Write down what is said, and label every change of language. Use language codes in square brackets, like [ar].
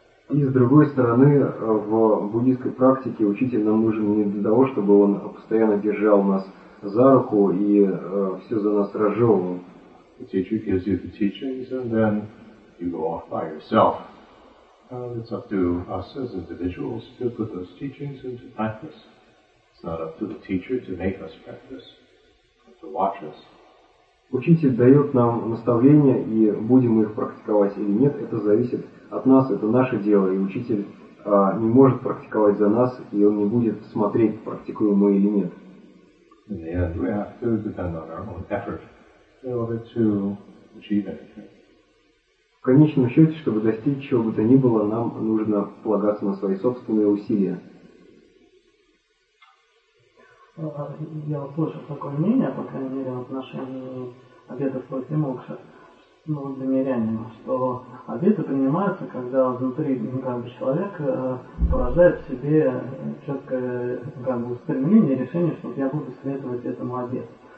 [ru] И с другой стороны, в буддийской практике учитель нам нужен не для того, чтобы он постоянно держал нас за руку и все за нас разжевывал. [en] The teacher gives you the teachings, and then you go off by yourself. And it's up to us as individuals to put those teachings into practice. It's not up to the teacher to make us practice, but to watch us. [ru] Учитель дает нам наставления, и будем мы их практиковать или нет, это зависит от нас, это наше дело. И учитель не может практиковать за нас, и он не будет смотреть, практикуем мы или нет. [en] In the end, we have to depend on our own effort. In order to achieve anything. [ru] В конечном счете, чтобы достичь чего бы то ни было, нам нужно полагаться на свои собственные усилия. Я услышал такое мнение, по крайней мере, в отношении обетов против мокши, ну, для мирянина, что обеты принимаются, когда внутри человек порождает в себе четкое устремление, решение, что я буду следовать этому обету.